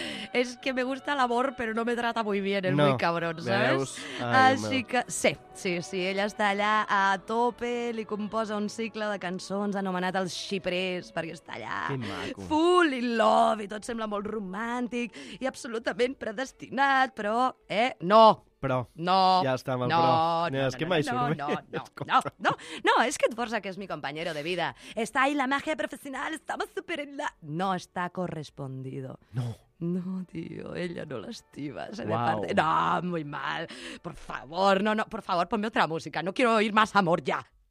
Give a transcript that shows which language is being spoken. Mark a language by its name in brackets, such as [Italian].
[Spanish] Es que me gusta el amor, pero no me trata muy bien, el no, muy cabrón, ¿sabes? [Catalan] Veus? Ai, així que, sí, sí, sí, ella està allà a tope, li composa un cicle de cançons anomenat Els Xiprers, perquè està allà [English] full in love [Catalan] i tot sembla molt romàntic i absolutament predestinat, però, no. Però. No. Ja està amb el no, però. No, és no, que no, no, no, no, no, no, no, no, és que et força que és [Spanish] mi compañero de vida. Está ahí la magia profesional, estamos super en la... No está correspondido. No. No, tío, ella [Catalan] no l'estima. [Spanish] No, muy mal. Por favor, no, no, por favor, ponme otra música. No quiero oír más amor ya.